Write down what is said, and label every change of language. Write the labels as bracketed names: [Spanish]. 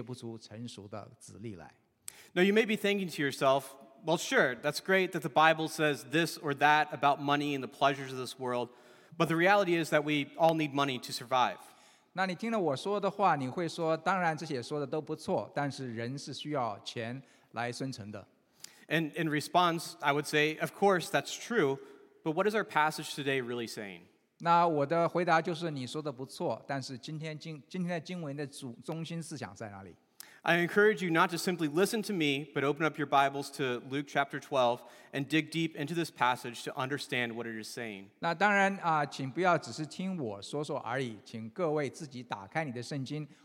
[Chinese] 那进入今天经文的主要的信息之前，我再用主耶稣的一个比喻，就是撒种的比喻，在路加福音的八章十四节里边说，那落在荆棘里的，就是人听得到，走开以后被今生的思虑、钱财、宴乐挤住了，便结不出成熟的籽粒来。 [English] Now you may be thinking to yourself, well, sure, that's great that the Bible says this or that about money and the pleasures of this world, but the reality is that we all need money to survive. [Chinese] 那你听了我说的话，你会说，当然这些说的都不错，但是人是需要钱来生存的。 [English] And in response, I would say, of course, that's true, but what is our passage today really saying? [Chinese] 那我的回答就是你说的不错，但是今天的经文的中心思想在哪里？ [English] I encourage you not to simply listen to me, but open up your Bibles to Luke chapter 12 and dig deep into this passage to understand what it is saying. [Chinese] 那当然，请不要只是听我说说而已，请各位自己打开你的圣经。